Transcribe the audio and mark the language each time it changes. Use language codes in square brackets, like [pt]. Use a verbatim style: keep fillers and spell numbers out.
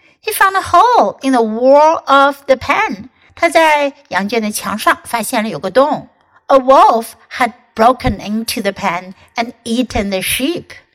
[en] He found a hole in the wall of the pen. [zh] 他在羊圈的墙上发现了有个洞。 [en] A wolf had broken into the pen and eaten the sheep.